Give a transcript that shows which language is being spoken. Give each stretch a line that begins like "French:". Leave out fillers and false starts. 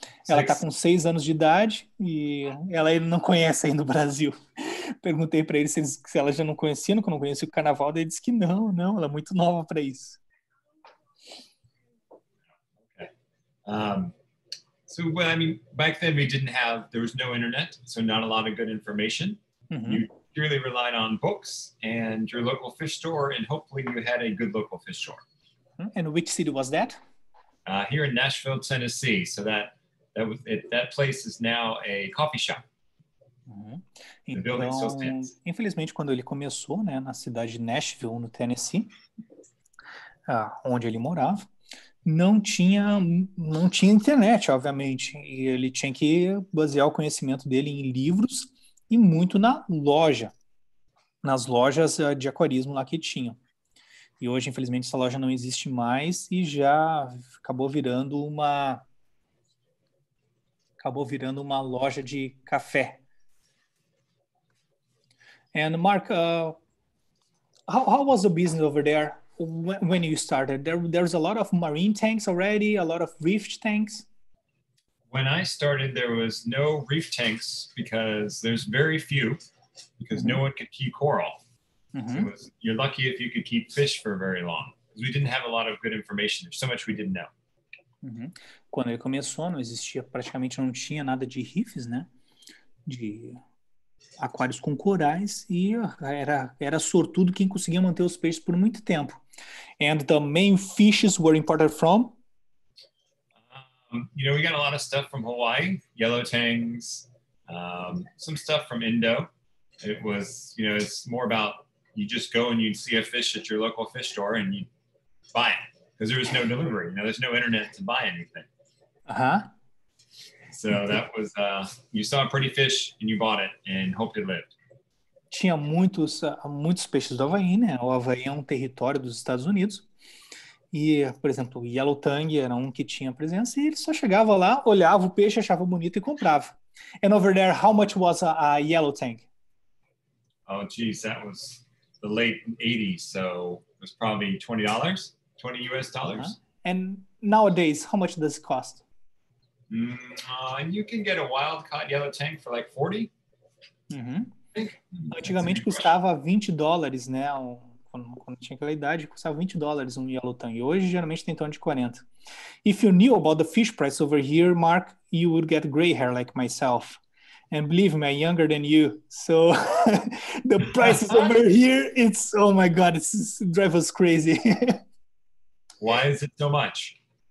Portuguese: Ela tá com 6 anos de idade e ela ainda não conhece ainda o Brasil. Perguntei para ele se ela já não conhecia, não conhecia o carnaval, daí ele disse que não, ela é muito nova para isso.
English: Okay. So well, I mean, back then we didn't have, there was no internet, so not a lot of good information. Uh-huh. You purely relied on books and your local fish store, and hopefully you had a good local fish store. And which city was that? Here in Nashville, Tennessee. So that place is now a coffee shop. Uhum.
Portuguese: Então, infelizmente, quando ele começou, né, na cidade de Nashville, no Tennessee, onde ele morava, não tinha internet, obviamente, e ele tinha que basear o conhecimento dele em livros e muito na loja, nas lojas de aquarismo lá que tinha. E hoje, infelizmente, essa loja não existe mais e já acabou virando uma loja de café.
English: And Mark, how was the business over there when you started? There's a lot of marine tanks already, a lot of reef tanks. When I started, there was no reef tanks because there's very few, because mm-hmm. no one could keep coral. Mm-hmm. So you're lucky if you could keep fish for very long, because we didn't have a lot of good information. There's so much we didn't know. Mm-hmm.
Portuguese: Quando ele começou, não existia, praticamente não tinha nada de reefs, né? De aquários com corais, e era sortudo quem conseguia manter os peixes por muito tempo.
English: And the main fishes were imported from? You know, we got a lot of stuff from Hawaii, yellow tangs, some stuff from Indo. It was, you know, it's more about you just go and you'd see a fish at your local fish store and you buy it, because there was no delivery, you know, there's no internet to buy anything. Uh-huh. So that was, you saw a pretty fish and you bought it and hoped it lived.
Portuguese: Tinha muitos peixes do Havaí, né? O Havaí é um território dos Estados Unidos. E, por exemplo, o Yellow Tang era um que tinha presença e ele só chegava lá, olhava o peixe, achava bonito e comprava.
English: And over there, how much was a Yellow Tang? Oh, geez, that was the late 80s, so it was probably $20, 20 US dollars. Uh-huh. And nowadays, how much does it cost? And you can get a wild caught yellow tank for like 40.
Portuguese: Uhum. Antigamente custava $20, né? Quando tinha aquela idade, custava $20 um yellow tank. E hoje geralmente tem em torno de 40.
English: If you knew about the fish price over here, Mark, you would get gray hair like myself. And believe me, I'm younger than you. So the prices over here, it's, oh my God, it drives us crazy. Why is it so much?